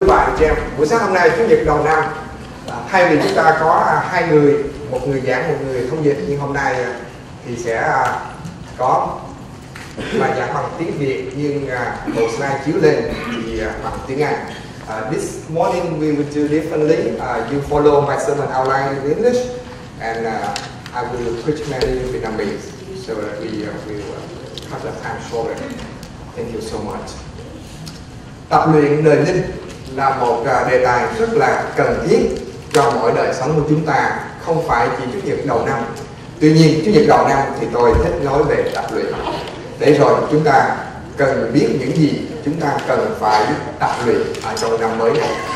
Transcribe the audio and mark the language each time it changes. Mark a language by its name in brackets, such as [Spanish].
[Vietnamese] bạn chị em, buổi sáng hôm nay chủ nhật đầu năm, thay vì chúng ta có hai người, một người giảng một người thông dịch, nhưng hôm nay thì sẽ có bài giảng bằng tiếng Việt nhưng một slide chiếu lên thì bằng tiếng Anh. [English] This morning we will do differently. You follow my sermon outline in English, and I will preach mainly in Vietnamese, so that we will have the time shorter. Thank you so much. [Vietnamese] Tập luyện đời linh là một đề tài rất là cần thiết cho mọi đời sống của chúng ta, không phải chỉ chủ nhật đầu năm. Tuy nhiên, chủ nhật đầu năm thì tôi thích nói về tập luyện. Để rồi chúng ta cần biết những gì chúng ta cần phải tập luyện ở trong năm mới này.